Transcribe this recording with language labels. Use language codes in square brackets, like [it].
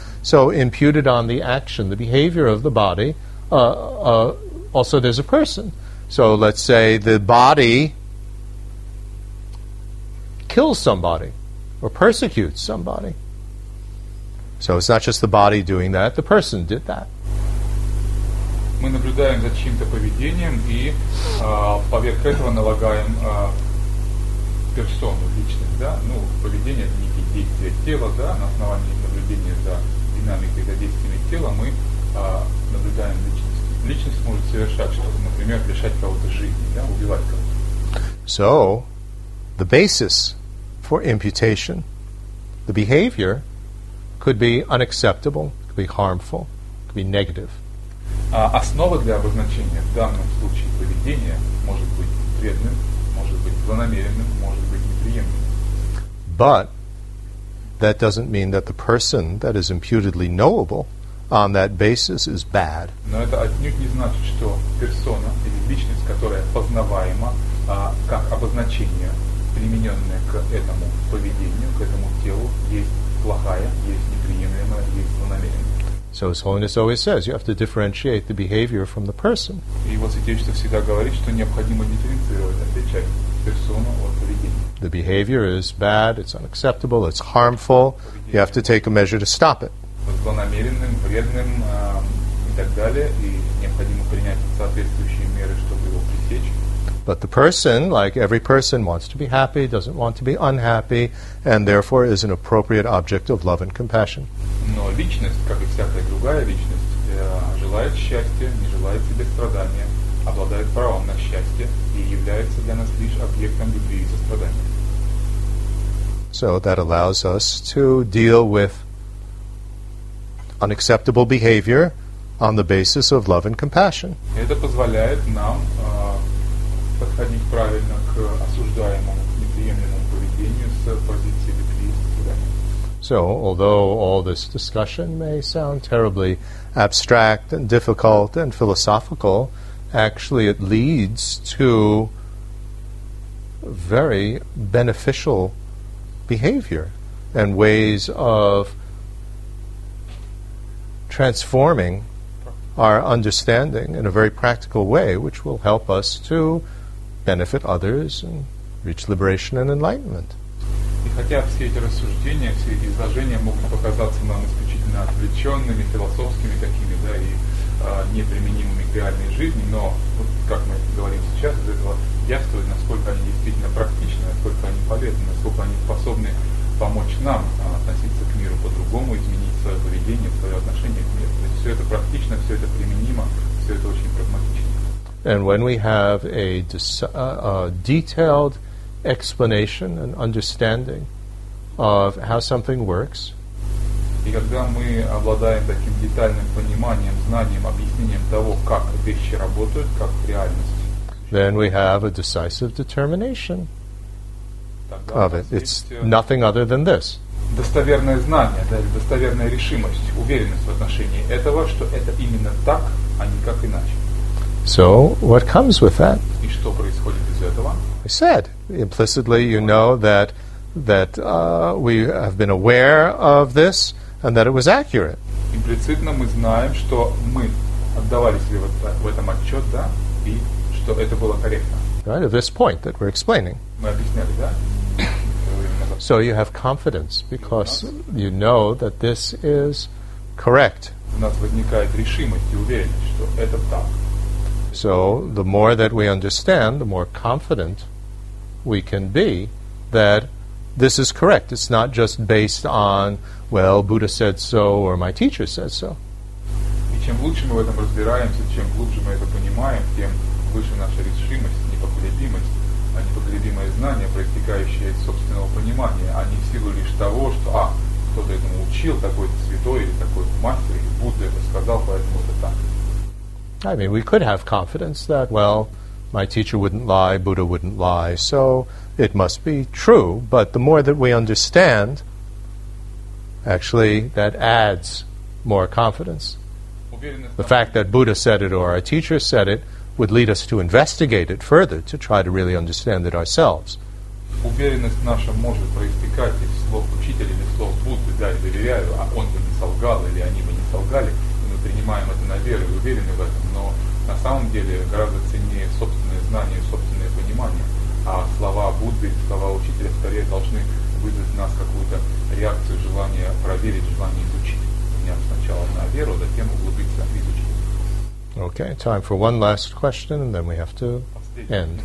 [en] So imputed on the action, the behavior of the body, also there's a person. So let's say the body kills somebody or persecutes somebody. So it's not just the body doing that, the person did that. [ru] Мы наблюдаем за чьим-то поведением и поверх этого налагаем персону, личность, да? Ну, поведение – это некие действия тела, да? На основании наблюдения за динамикой, за действиями тела мы наблюдаем личность. Личность может совершать что-то, например, лишать кого-то жизни, да? Убивать кого-то. [en] So, the basis for imputation, the behavior, could be unacceptable, could be harmful, could be negative. [ru] Основа для обозначения в данном случае поведения может быть вредным, может быть злонамеренным, может быть неприемлемым. [en] But that doesn't mean that the person that is imputedly knowable on that basis is bad. [ru] Но это отнюдь не значит, что персона или личность, которая познаваема как обозначение, примененное к этому поведению, к этому телу, есть плохая, есть неприемлемая, есть злонамеренная. [en] So His Holiness always says, you have to differentiate the behavior from the person. [ru] Его святейшество всегда говорит, что необходимо дифференцировать, отличать персону от поведения. [en] The behavior is bad, it's unacceptable, it's harmful. You have to take a measure to stop it. [ru] Злонамеренным, вредным и так далее, и необходимо принять соответствующие меры, чтобы его пресечь. [en] But the person, like every person, wants to be happy, doesn't want to be unhappy, and therefore is an appropriate object of love and compassion. [ru] Но личность, как и всякая другая личность, желает счастья, не желает себе страдания, обладает правом на счастье и является для нас лишь объектом любви и сострадания. [en] So that allows us to deal with unacceptable behavior on the basis of love and compassion. [ru] Это позволяет нам подходить правильно к осуждаемому, к неприемлемому поведению с позиции любви и сострадания. [en] So, although all this discussion may sound terribly abstract and difficult and philosophical, actually it leads to very beneficial behavior and ways of transforming our understanding in a very practical way, which will help us to benefit others and reach liberation and enlightenment. [ru] И хотя все эти рассуждения, все эти изложения могут показаться нам исключительно отвлеченными, философскими такими, да, и неприменимыми к реальной жизни, но, вот как мы говорим сейчас, из этого явствует, насколько они действительно практичны, насколько они полезны, насколько они способны помочь нам относиться к миру по-другому, изменить свое поведение, свое отношение к миру. То есть все это практично, все это применимо, все это очень прагматично. [en] And when we have a detailed explanation and understanding of how something works. [ru] И когда мы обладаем таким детальным пониманием, знанием, объяснением того, как вещи работают, как реальность. [en] Then we have a decisive determination of it. It's nothing other than this. [ru] Достоверное знание, да, или достоверная решимость, уверенность в отношении этого, что это именно так, а не как иначе. [en] So, what comes with that? [ru] И что происходит из этого? [en] I said, implicitly, you know that we have been aware of this and that it was accurate. [ru] Имплицитно мы знаем, что мы отдавали себе вот в этом отчет, да, и что это было корректно. [en] Right, at this point that we're explaining. [ru] Мы объясняли, да? [en] So you have confidence because you know that this is correct. [ru] У нас возникает решимость и уверенность, что это так. [en] So the more that we understand, the more confident we can be that this is correct. It's not just based on, well, Buddha said so or my teacher said so. [ru] И чем лучше мы в этом разбираемся, чем глубже мы это понимаем, тем выше наша решимость, непоколебимость, а непоколебимое знание, проистекающее из собственного понимания, а не в силу лишь того, что кто-то этому учил, такой-то святой или такой-то мастер, или Будда это сказал, поэтому это так. [en] I mean, we could have confidence that, well, my teacher wouldn't lie, Buddha wouldn't lie, so it must be true. But the more that we understand, actually, that adds more confidence. The fact that Buddha said it or our teacher said it would lead us to investigate it further, to try to really understand it ourselves. [ru] Уверенность наша может проистекать из слов учителя или слов Будды, да, я доверяю, а он бы не солгал или они бы не солгали. Принимаем это на веру и уверены в этом, но на самом деле гораздо ценнее собственное знание и собственное понимание. А слова Будды, слова учителя скорее должны вызвать в нас какую-то реакцию, желание проверить, желание изучить. Нет, сначала на веру, затем углубиться и изучить. [en] Okay, time for one last question, and then we have to end.